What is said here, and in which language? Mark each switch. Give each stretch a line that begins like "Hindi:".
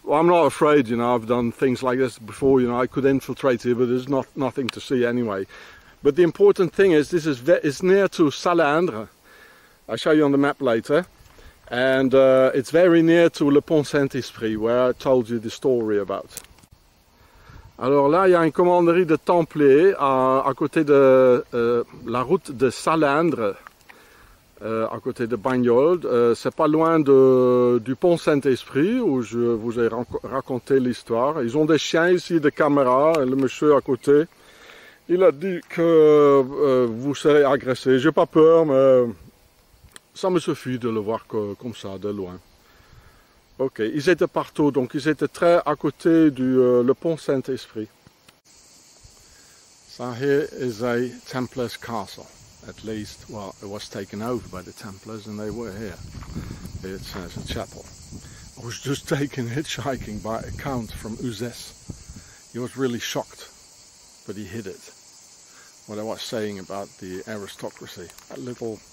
English: Well, I'm not afraid, you know, I've done things like this before, you know, I could infiltrate here, but there's nothing to see anyway. But the important thing is, this is it's near to Salandre. I'll show you on the map later. And it's very near to Le Pont Saint-Esprit, where I told you the story about.
French: Alors là, il y a une commanderie de Templiers à côté de la route de Salandre, à côté de Bagnoles. C'est pas loin du Pont Saint-Esprit où je vous ai raconté l'histoire. Ils ont des chiens ici, des caméras, et le monsieur à côté. Il a dit que vous serez agressé. J'ai pas peur, mais... Ça me suffit de le voir comme ça, de loin. Ok, ils étaient partout, donc ils étaient très à côté du le pont Saint-Esprit.
English: So here is a Templars castle. At least, well, it was taken over by the Templars and they were here. It's a chapel. I was just taken hitchhiking by a count from Uzès. He was really shocked, but he hid it. What I was saying about the aristocracy, that little...